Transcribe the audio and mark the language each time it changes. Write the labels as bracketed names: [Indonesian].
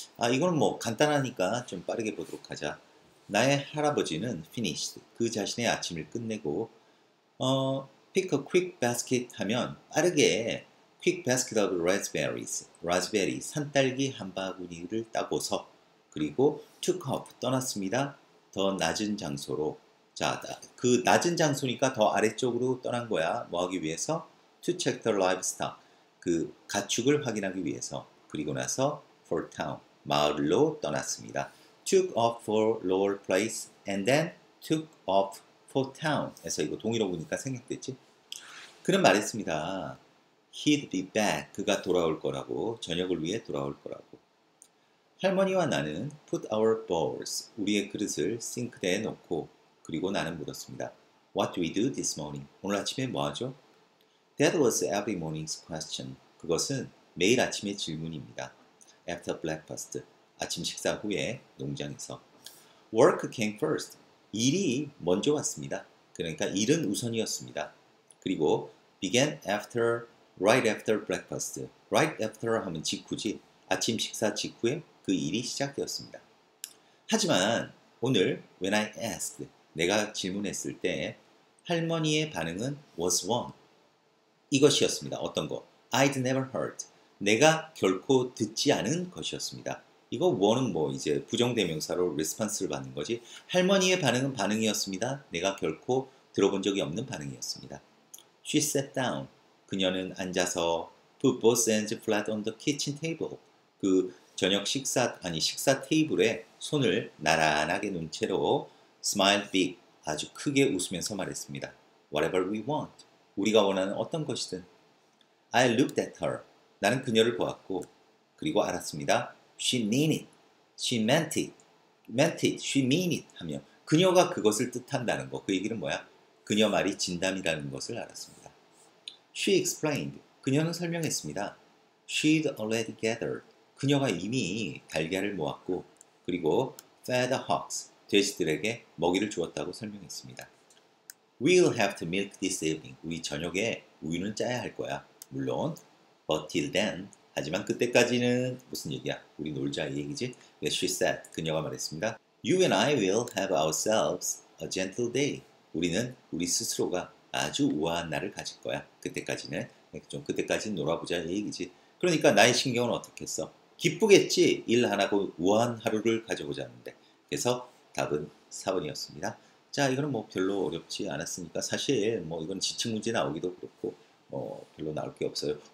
[Korean] 아, 이거는 뭐 간단하니까 좀 빠르게 보도록 하자. 나의 할아버지는 [English] finished [Korean] 그 자신의 아침을 끝내고 [English] pick a quick basket [Korean] 하면 빠르게 [English] quick basket of raspberries [Korean] 산딸기 한 바구니를 따고서 그리고 [English] took off [Korean] 떠났습니다. 더 낮은 장소로. 자, 그 낮은 장소니까 더 아래쪽으로 떠난 거야. 뭐 하기 위해서? [English] To check the livestock. [Korean] 그 가축을 확인하기 위해서. 그리고 나서 [English] for town. [Korean] 마을로 떠났습니다. [English] Took off for lower place and then took off for town. [Korean] 에서 이거 동의로 보니까 생략됐지? 그는 말했습니다. [English] He'd be back. [Korean] 그가 돌아올 거라고. 저녁을 위해 돌아올 거라고. 할머니와 나는 [English] put our bowls. [Korean] 우리의 그릇을 싱크대에 놓고 그리고 나는 물었습니다. [English] What do we do this morning? [Korean] 오늘 아침에 뭐하죠? [English] That was every morning's question. [Korean] 그것은 매일 아침의 질문입니다. [English] After breakfast. [Korean] 아침 식사 후에 농장에서. [English] Work came first. [Korean] 일이 먼저 왔습니다. 그러니까 일은 우선이었습니다. 그리고 [English] began after, right after breakfast. Right after [Korean] 하면 직후지. 아침 식사 직후에 그 일이 시작되었습니다. 하지만 오늘 [English] when I asked, [Korean] 내가 질문했을 때 할머니의 반응은 [English] was one. [Korean] 이것이었습니다. 어떤 거? [English] I'd never heard. [Korean] 내가 결코 듣지 않은 것이었습니다. 이거 one은 뭐 이제 부정대명사로 response를 받는 거지. 할머니의 반응은 반응이었습니다. 내가 결코 들어본 적이 없는 반응이었습니다. [English] She sat down. [Korean] 그녀는 앉아서 [English] put both hands flat on the kitchen table. [Korean] 그 저녁 식사, 아니 식사 테이블에 손을 나란하게 놓은 채로 [English] Smile big. [Korean] 아주 크게 웃으면서 말했습니다. [English] Whatever we want. [Korean] 우리가 원하는 어떤 것이든. [English] I looked at her. [Korean] 나는 그녀를 보았고 그리고 알았습니다. [English] She mean it. She meant it. Meant it. She mean it. [Korean] 하며 그녀가 그것을 뜻한다는 거. 그 얘기는 뭐야? 그녀 말이 진담이라는 것을 알았습니다. [English] She explained. [Korean] 그녀는 설명했습니다. [English] She'd already gathered. [Korean] 그녀가 이미 달걀을 모았고 그리고 [English] fed the hogs. [Korean] 돼지들에게 먹이를 주었다고 설명했습니다. [English] We'll have to milk this evening. [Korean] 우리 저녁에 우유는 짜야 할 거야. 물론, [English] but till then, [Korean] 하지만 그때까지는 무슨 얘기야? 우리 놀자 이 얘기지? [English] She said, [Korean] 그녀가 말했습니다. [English] You and I will have ourselves a gentle day. [Korean] 우리는 우리 스스로가 아주 우아한 날을 가질 거야. 그때까지는, 좀 그때까지 놀아보자 이 얘기지. 그러니까 나의 신경은 어떻겠어? 기쁘겠지? 일 안 하고 우아한 하루를 가져보자는데. 그래서 답은 4번이었습니다. 자, 이거는 뭐 별로 어렵지 않았으니까 사실 뭐 이건 지층 문제 나오기도 그렇고 뭐 별로 나올 게 없어요.